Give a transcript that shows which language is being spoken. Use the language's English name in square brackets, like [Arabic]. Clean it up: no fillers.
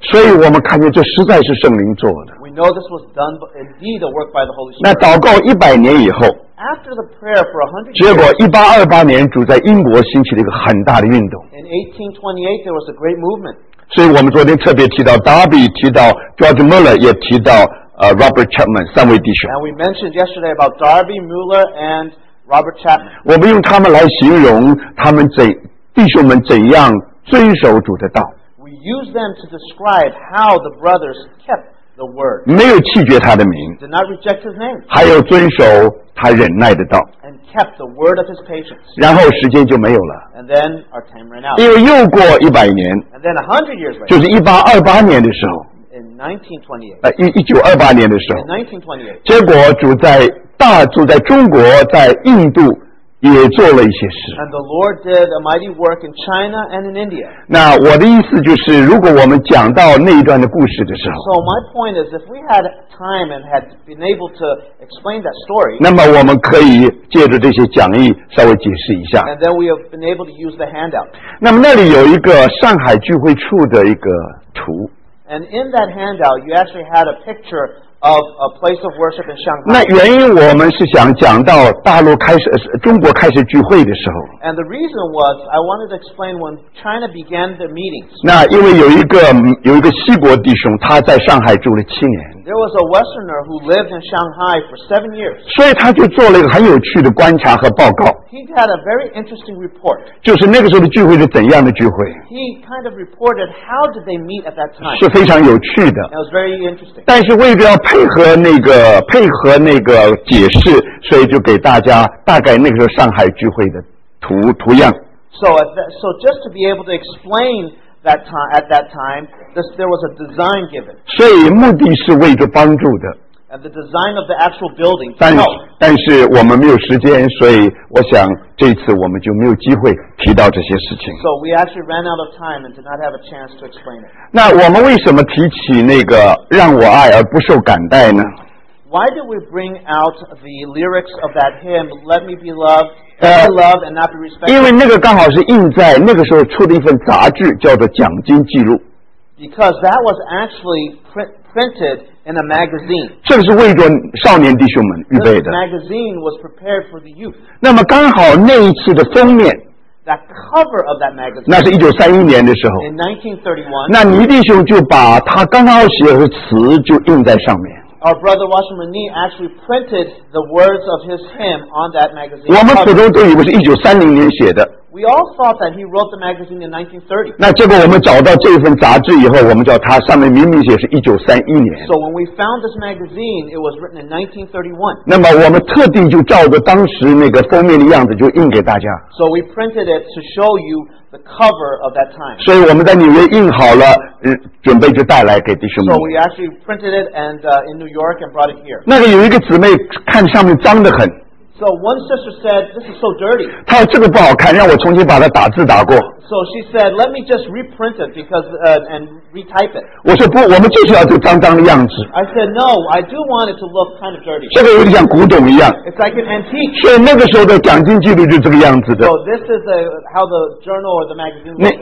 [Chinese] 所以我们看见这实在是圣灵做的。 [English] We know this was done indeed a work by the Holy Spirit. [Chinese] 那祷告一百年以后 [English] ，After the prayer for 100 years, [Chinese] 结果1828年主在英国兴起了一个很大的运动。 [English] In 1828, there was a great movement. [Chinese] 所以我们昨天特别提到 Darby 提到 George Mueller 也提到Robert Chapman 三位弟兄 [English] And we mentioned yesterday about Darby, Mueller and Robert Chapman [Chinese] 我们用他们来形容他们弟兄们怎样遵守主的道 [English] We use them to describe how the brothers kept the word [Chinese] 没有弃绝他的名 [English] Did not reject his name [Chinese] 还有遵守他忍耐的道 [English] And kept the word of his patience [Chinese] 然后时间就没有了 [English] And then our time ran out [Chinese] 因为又过100年 [English] Then 100 years later, [Chinese] 就是1828年的时候 1928年的时候 [English] 1928, [Chinese] 结果主在中国在印度也做了一些事 [English] And the Lord did a mighty work in China and in India [Chinese] 那我的意思就是如果我们讲到那一段的故事的时候 [English] So my point is if we had time and had been able to explain that story [Chinese] 那么我们可以借着这些讲义稍微解释一下 [English] And then we have been able to use the handout [Chinese] 那么那里有一个上海聚会处的一个图 [English] And in that handout you actually had a pictureOf a place of worship in Shanghai. [Chinese] 那原因我们是想讲到大陆开始，中国开始聚会的时候。 [English] And the reason was I wanted to explain when China began the meetings. [Chinese] 那因为有一个西国弟兄，他在上海住了7年。 [English] There was a Westerner who lived in Shanghai for 7 years. [Chinese] 所以他就做了一个很有趣的观察和报告。 [English] He had a very interesting report. [Chinese] 就是那个时候的聚会是怎样的聚会。 [English] He kind of reported how did they meet at that time. [Chinese] 是非常有趣的。 [English] It was very interesting. [Chinese] 但是为了配合那个解释，所以就给大家大概那个时候上海聚会的图样。 [English] So just to be able to explain that time at that time, there was a design given. [Chinese] 所以目的是为着帮助的。 [English] And the design of the actual building. [Chinese] 但是我们没有时间，所以我想这次我们就没有机会提到这些事情。 [English] So we actually ran out of time and did not have a chance to explain it. [Chinese] 那我们为什么提起那个让我爱而不受感带呢 [English] ？Why did we bring out the lyrics of that hymn, "Let Me Be Loved"? Love and not be respected. [Chinese] 因为那个刚好是印在那个时候出的一份杂志，叫做《奖金记录》。 [English] Because that was actually printed in a magazine. [Chinese] 这个是为着少年弟兄们预备的。 [English] The magazine was prepared for the youth. [Chinese] 那么刚好那一次的封面。 [English] That cover of that magazine. [Chinese] 那是1931年的时候。 [English] In 1931. [Chinese] 那倪弟兄就把他刚刚写的词就印在上面。 [English] our brother Washam Rani actually printed the words of his hymn on that magazine. [Chinese] 我们始终都以为是1930年写的。 [English] We all thought that he wrote the magazine in 1930. [Chinese] 那结果我们找到这份杂志以后，我们叫它上面明明写是1931年。 [English] So when we found this magazine, it was written in 1931. [Chinese] 那么我们特地就照着当时那个封面的样子就印给大家。 [English] So we printed it to show you the cover of that time. [Chinese] 所以我们在纽约印好了，准备就带来给弟兄们。 [English] So we actually printed it and in New York and brought it here. [Chinese] 那个有一个姊妹看上面脏得很。 [English] So one sister said, "This is so dirty." [Chinese] 她说这个不好看，让我重新把它打字打过。 [English] So she said, "Let me just reprint it because and retype it." [Chinese] 我说不，我们就是要这脏脏的样子。 [English] I said, "No, I do want it to look kind of dirty." [Chinese] 这个有点像古董一样。 [English] It's like an antique. [Chinese] 所以那个时候的奖金记录就这个样子的。 [English] So this is how the journal or the magazine.